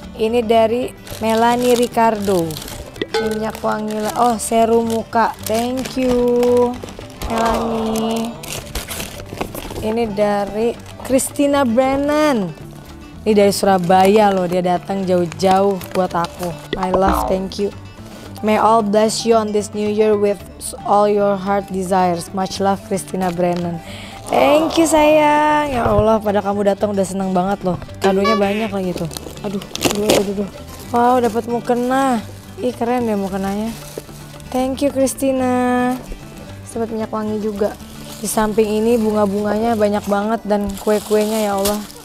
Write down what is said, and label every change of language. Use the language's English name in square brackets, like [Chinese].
[Indonesian] Ini dari Melanie Ricardo. Minyak wangi, oh serum muka. [English] Thank you Melanie. Ini dari Christina Brennan. [Indonesian] Ini dari Surabaya loh, dia datang jauh-jauh buat aku. [English] My love, thank you. May all bless you on this new year with all your heart desires. Much love, Christina Brennan. Thank you sayang. [Indonesian] Ya Allah, pada kamu datang udah seneng banget loh. Kadonya banyak lagi tuh. Aduh. Wow, dapat mukena. Ih, keren ya mukenanya. [English] Thank you Christina. [Indonesian] Dapat minyak wangi juga. Di samping ini bunga-bunganya banyak banget dan kue-kuenya ya Allah.